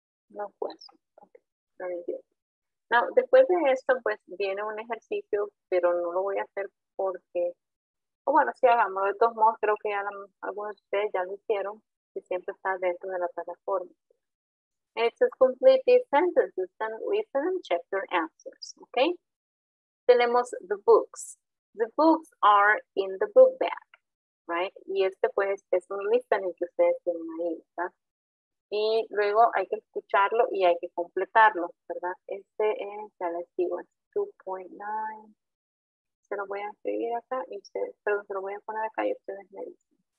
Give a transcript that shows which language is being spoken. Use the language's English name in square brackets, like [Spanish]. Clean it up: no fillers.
[English] No question. Okay. Very good. Now, [Spanish] después de esto, pues, viene un ejercicio, pero no lo voy a hacer porque, bueno, sí, hagámoslo. De todos modos, creo que ya algunos de ustedes ya lo hicieron y siempre está dentro de la plataforma. [English] It says complete these sentences, then listen and check your answers, okay? [Spanish] Tenemos [English] the books. The books are in the book bag, right? [Spanish] Y este, pues, es un listening que ustedes tienen ahí, ¿verdad? Y luego hay que escucharlo y hay que completarlo, ¿verdad? Este es, ya les digo, es 2.9. Se lo voy a escribir acá y ustedes, perdón, se lo voy a poner acá y ustedes me dicen.